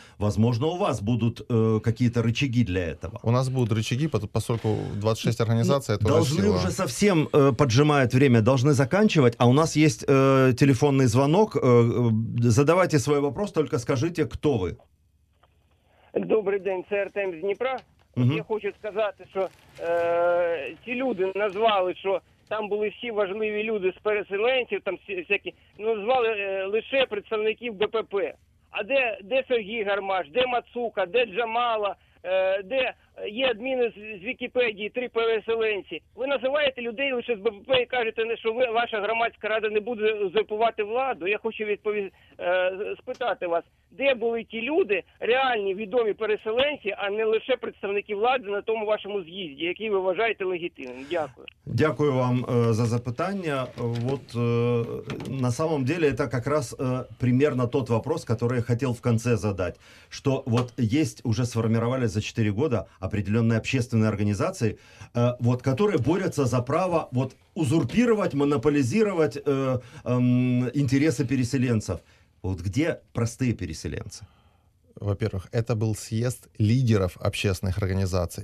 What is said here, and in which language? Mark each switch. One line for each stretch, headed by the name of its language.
Russian: Возможно, у вас будут какие-то рычаги для этого. У нас будут рычаги, поскольку 26 организаций, это должны уже сила. Должны уже совсем поджимает время, должны заканчивать, а у нас есть телефонный звонок. Задавайте свой вопрос, только скажите, кто вы.
Ukrainian: Добрий день, це Артем з Дніпра. Угу. Я хочу сказати, що ті люди назвали, що там були всі важливі люди з переселенців, там всякі, назвали лише представників БПП. А де Сергій Гармаш, де Мацука, де Джамала, де є адміни з Вікіпедії, три переселенці. Ви називаєте людей лише з БПП і кажете, що ваша громадська рада не буде узурпувати владу. Я хочу спитати вас, де були ті люди, реальні, відомі переселенці, а не лише представники влади на тому вашому з'їзді, який ви вважаєте легітимним. Дякую. Дякую вам за запитання. От
Russian: на самом деле
Ukrainian: це якраз примерно той вопрос, який я хотів в кінці задати. Що от є, вже сформували за 4 роки
Russian: определенные общественные организации, которые борются за право узурпировать, монополизировать интересы переселенцев. Вот где простые переселенцы? во-первых, это был съезд лидеров общественных организаций.